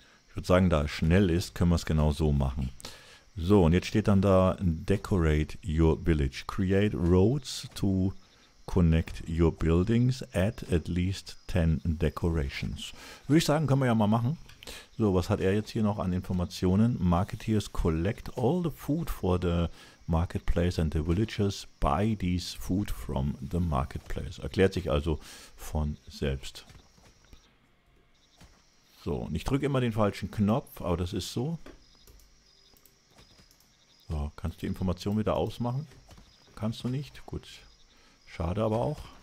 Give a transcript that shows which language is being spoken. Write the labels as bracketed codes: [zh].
[de] Ich würde sagen, da es schnell ist, können wir es genau so machen. So, und jetzt steht dann da, [en] decorate your village. Create roads to connect your buildings. At least 10 decorations. [de] Würde ich sagen, können wir ja mal machen. So, was hat er jetzt hier noch an Informationen? [en] Marketeers collect all the food for the marketplace and the villagers buy these food from the marketplace. [de] Erklärt sich also von selbst. So, und ich drücke immer den falschen Knopf, aber das ist so. So, kannst du die Information wieder ausmachen? Kannst du nicht? Gut. Schade aber auch.